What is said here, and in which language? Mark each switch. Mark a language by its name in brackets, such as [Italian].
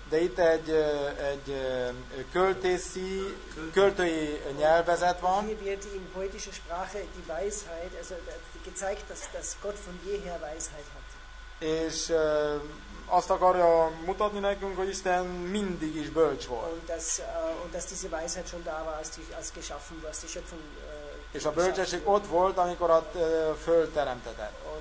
[Hungarian] De itt egy költészi, költői nyelvezet van. [German] Hier wird in poetischer Sprache die Weisheit, also gezeigt, dass Gott von jeher Weisheit hat. [Hungarian] És azt akarja mutatni nekünk, hogy Isten mindig is bölcs volt. [German] Und dass diese Weisheit schon da war, als geschaffen, als die Schöpfung. [Hungarian] És a bölcsesség ott volt, amikor a Föld teremtetett.